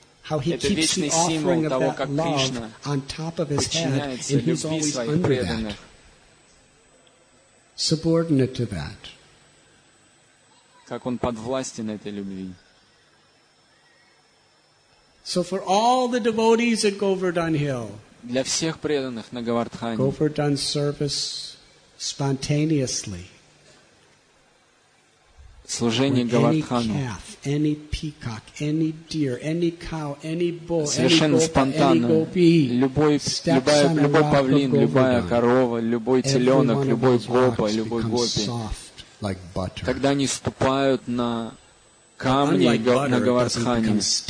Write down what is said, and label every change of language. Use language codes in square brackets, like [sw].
[ru] Это вечный символ того, как Кришна подчиняется любви своих преданных. [en] Subordinate to that. [ru] Как он подвластен этой любви. [en] So for all the devotees at Govardhan Hill, [ru] для всех преданных на Говардхане, [en] Govardhan service spontaneously, [ru] служение Говардхану, [en] any calf, any peacock, any deer, any cow, any bull, [ru] совершенно спонтанно, любой павлин, любая корова, любой теленок, любой гопа, любой гопи, когда они ступают на камни на Говардхане.